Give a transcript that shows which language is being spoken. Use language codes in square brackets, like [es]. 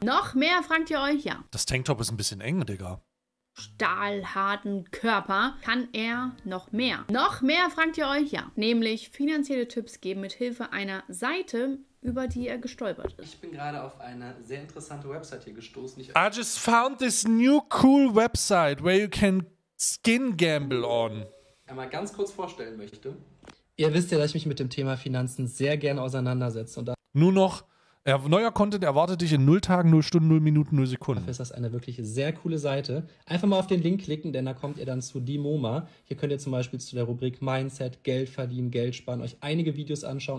[de] Noch mehr, fragt ihr euch, ja. Das Tanktop ist ein bisschen eng, Digga. Stahlharten Körper kann er noch mehr. Noch mehr, fragt ihr euch, ja. Nämlich finanzielle Tipps geben mit Hilfe einer Seite, über die er gestolpert ist. Ich bin gerade auf eine sehr interessante Website hier gestoßen. [en] I just found this new cool website where you can skin gamble on. [de] Einmal ganz kurz vorstellen möchte. Ihr wisst ja, dass ich mich mit dem Thema Finanzen sehr gerne auseinandersetze. Und da nur noch. Neuer Content erwartet dich in 0 Tagen, 0 Stunden, 0 Minuten, 0 Sekunden. Dafür ist das eine wirklich sehr coole Seite. Einfach mal auf den Link klicken, denn da kommt ihr dann zu DieMoMa. Hier könnt ihr zum Beispiel zu der Rubrik Mindset, Geld verdienen, Geld sparen, euch einige Videos anschauen.